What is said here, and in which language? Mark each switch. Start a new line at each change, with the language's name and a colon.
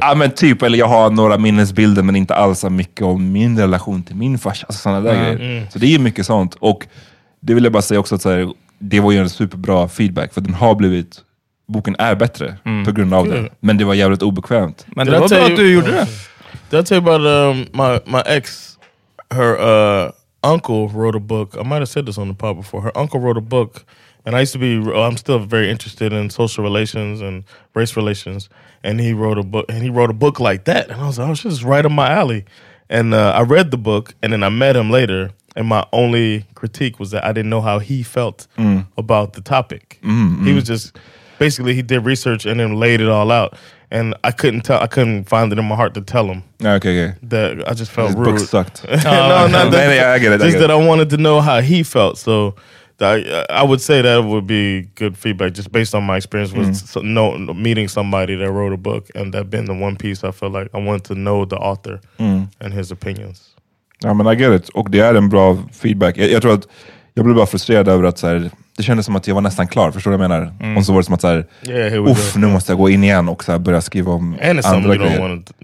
Swedish: Ja, men typ, eller jag har några minnesbilder, men inte alls så mycket om min relation till min farsa. Alltså sådana där grejer. Så det är mycket sånt. Och det vill jag bara säga också att så här, det var ju en superbra feedback, för den har blivit... Boken är bättre på grund av det. Men det var jävligt obekvämt. Men det var bra att du gjorde det.
English: Did I tell you about my ex, her uncle wrote a book. I might have said this on the pod before. Her uncle wrote a book, and I used to be, I'm still very interested in social relations and race relations, and he wrote a book, and he wrote a book like that. And I was like, oh, shit, it's right up my alley. And I read the book, and then I met him later, and my only critique was that I didn't know how he felt about the topic. He was just, basically, he did research and then laid it all out. And I couldn't tell. I couldn't find it in my heart to tell him. Okay. That I just felt rude. His book sucked. I get it. Just that I wanted to know how he felt. So I would say that would be good feedback, just based on my experience with meeting somebody that wrote a book, and that been the one piece I felt like I wanted to know the author and his opinions. Yeah, but I get it.
Swedish: Och det är en bra feedback. Jag tror att jag blev bara frustrerad över att säga. Det kändes som att jag var nästan klar, förstår du vad jag menar? Och så var det som att såhär, nu måste jag gå in igen och så börja skriva om andra grejer.